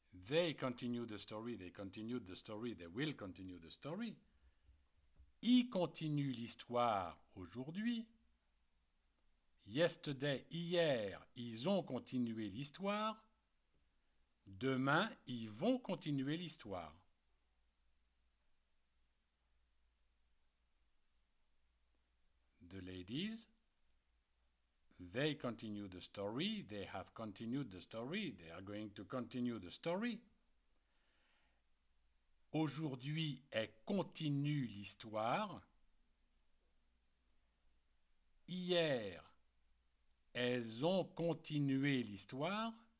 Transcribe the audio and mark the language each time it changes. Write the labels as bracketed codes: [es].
[en] They continue the story, they continued the story, they will continue the story. [fr] Ils continuent l'histoire aujourd'hui. [en] Yesterday, [fr] hier, ils ont continué l'histoire. Demain, ils vont continuer l'histoire. [en] The ladies, they continue the story, they have continued the story, they are going to continue the story. [fr] Aujourd'hui, elle continue l'histoire. Hier, elles ont continué l'histoire.